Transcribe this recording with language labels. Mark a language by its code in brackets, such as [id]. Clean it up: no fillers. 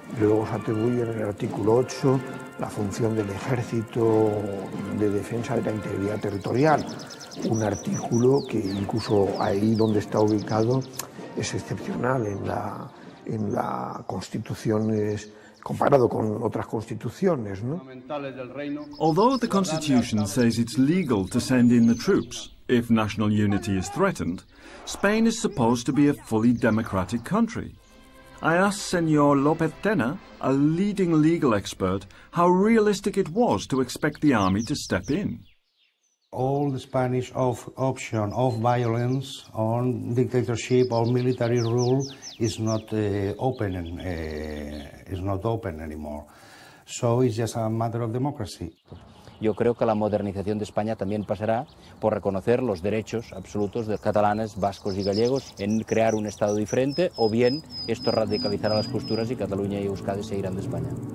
[es] Luego se atribuye en el artículo 8 la función del ejército de defensa de la integridad territorial, un artículo que incluso ahí donde está ubicado es excepcional en la Constitución, es comparado con otras constituciones, ¿no? [en] Although the Constitution says it's legal to send in the troops if national unity is threatened, Spain is supposed to be a fully democratic country. I asked Señor López Tena, a leading legal expert, how realistic it was to expect the army to step in. All the Spanish option of violence on dictatorship or military rule is not open anymore. So it's just a matter of democracy. [es] Yo creo que la modernización de España también pasará por reconocer los derechos absolutos de catalanes, vascos y gallegos en crear un Estado diferente, o bien esto radicalizará las posturas y Cataluña y Euskadi se irán de España.